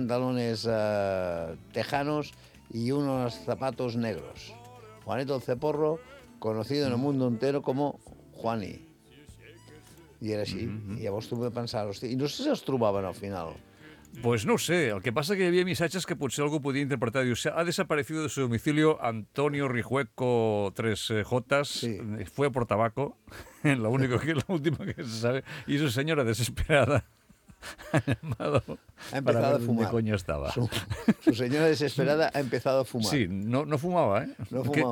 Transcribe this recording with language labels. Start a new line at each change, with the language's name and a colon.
Spanish: pantalones tejanos y unos zapatos negros. Juanito Ceporro, conocido en el mundo entero como Juani. Y era así.
Catalan: Y llavors
Spanish: tuve que pensar,
Catalan: hostia, y no sé si els trobaven al final. Pues no ho sé, el que passa que hi havia missatges que potser algú podia interpretar.
Spanish: Diu, ha desaparecido de su domicilio Antonio Rijueco 3J, sí. fue por tabaco, la única que, la última que se sabe, y su señora desesperada ha llamado ha empezado para ver a fumar. Dónde coño estaba. Su señora desesperada ha empezado a fumar. Sí, no, no fumaba, ¿eh? No fumaba,